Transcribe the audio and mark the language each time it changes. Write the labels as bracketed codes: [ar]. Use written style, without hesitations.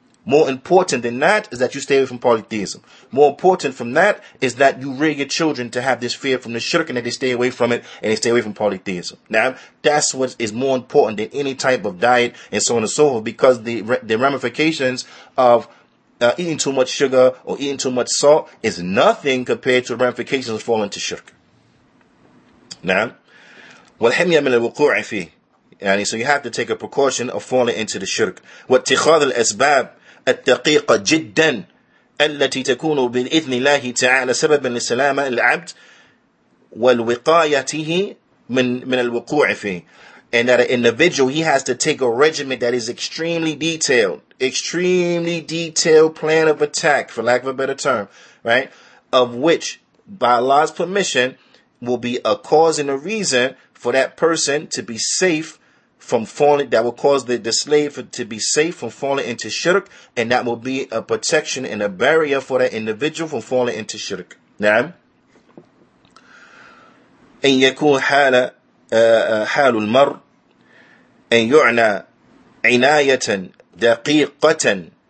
[en] More important than that is that you stay away from polytheism. More important from that is that you rear your children to have this fear from the shirk and that they stay away from it and they stay away from polytheism. Now, that's what is more important than any type of diet and so on and so forth, because the ramifications of eating too much sugar or eating too much salt is nothing compared to ramifications of falling to shirk. [ar] Now, وَالْحِمْيَ مِنَ الْوُقُوعِ فِيهِ. [en] So you have to take a precaution of falling into the shirk. [ar] وَاتِّخَاذُ الْأَسْبَابِ الدَّقِيقَ جِدًّا أَلَّتِي تَكُونُ بِإِذْنِ اللَّهِ تَعَالَى سَبَبًا لِسَلَامَةِ الْعَبْدِ وَالْوِقَايَتِهِ مِنَ الْوُقُوعِ فِيهِ. [en] And that an individual, he has to take a regimen that is extremely detailed plan of attack, for lack of a better term, right? Of which, by Allah's permission, will be a cause and a reason for that person to be safe from falling, that will cause the slave to be safe from falling into shirk, and that will be a protection and a barrier for that individual from falling into shirk. [ar] Now, إن يكون حالة حال المرء أن يعنى عناية دقيقة